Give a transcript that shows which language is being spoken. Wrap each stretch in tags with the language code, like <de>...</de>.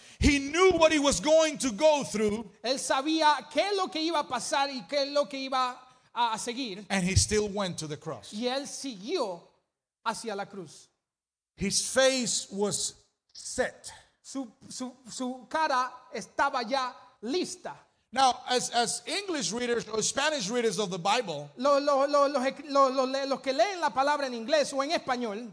<en>He knew what he was going to go through.</en> <es>Él sabía qué es lo que iba a pasar y qué es lo que iba a seguir.</es> <en>And he still went to the cross.</en> <es>Y él siguió hacia la cruz.</es> <en>His face was set.</en> <es>Su cara estaba ya lista.</es> <en>Now, as English readers or Spanish readers of the Bible,</en> <es>los que leen la palabra en inglés o en español,</es>